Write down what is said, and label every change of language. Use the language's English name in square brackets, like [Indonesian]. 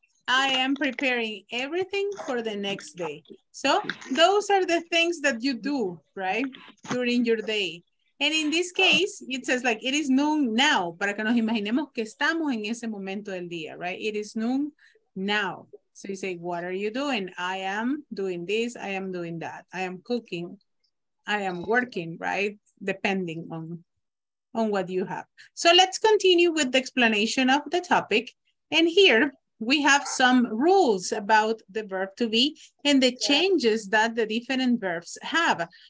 [English] I am preparing everything for the next day. So those are the things that you do, right? During your day. And in this case, it says like, it is noon now. [Spanish] Para que nos imaginemos que estamos en ese momento del día, right? [English] It is noon now. So you say, what are you doing? I am doing this, I am doing that. I am cooking, I am working, right? Depending on what you have. So let's continue with the explanation of the topic. And here we have some rules about the verb to be and the changes that the different verbs have.